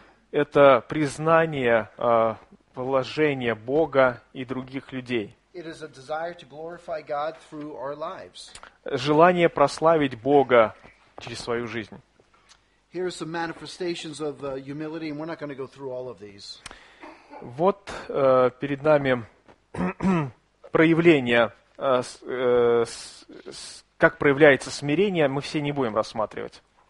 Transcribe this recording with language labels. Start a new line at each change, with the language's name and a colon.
Russian: Это признание положения Бога и других людей.
English: It is a desire to glorify God through our lives.
Russian: Желание прославить Бога через свою жизнь.
English: Here are some manifestations of humility, and we're not going to go through all of these.
Russian: Вот перед нами проявление, как проявляется смирение, мы все не будем рассматривать.